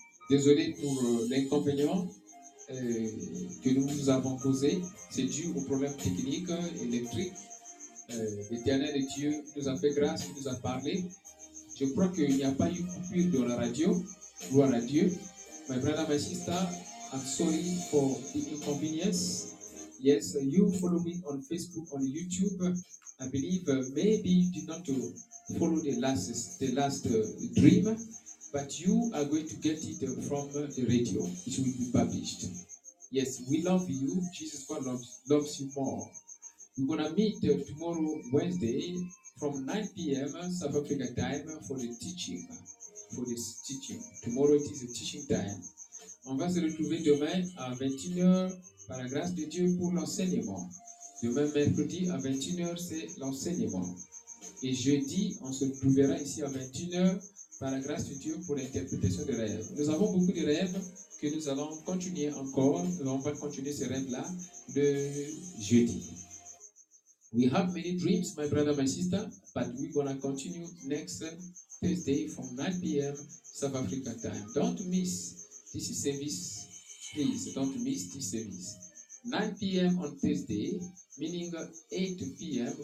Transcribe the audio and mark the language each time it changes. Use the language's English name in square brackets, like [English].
[French] Désolé pour l'inconvénient que nous vous avons causé. C'est dû aux problèmes techniques, électriques. L'Éternel et Dieu nous a fait grâce, nous a parlé. Je crois qu'il n'y a pas eu coupure dans la radio. Gloire à Dieu. [English] My brother, my sister, I'm sorry for the inconvenience. Yes, you follow me on Facebook, on YouTube. I believe maybe you did not follow the last dream, but you are going to get it from the radio. It will be published. Yes, we love you. Jesus Christ loves you more. We're going to meet tomorrow, Wednesday, from 9 p.m. South Africa time for the teaching. For this teaching. Tomorrow it is a teaching time. [French] On va se retrouver demain à 21h par la grâce de Dieu pour l'enseignement. Demain mercredi à 21h, c'est l'enseignement. Et jeudi, on se retrouvera ici à 21h par la grâce de Dieu pour l'interprétation des rêves. Nous avons beaucoup de rêves que nous allons continuer encore. On va continuer ces rêves-là le jeudi. [English] We have many dreams, my brother, my sister, but we're going to continue next Thursday from 9 p.m. South African time. Don't miss this service, please. Don't miss this service. 9 p.m. on Thursday, meaning 8 p.m.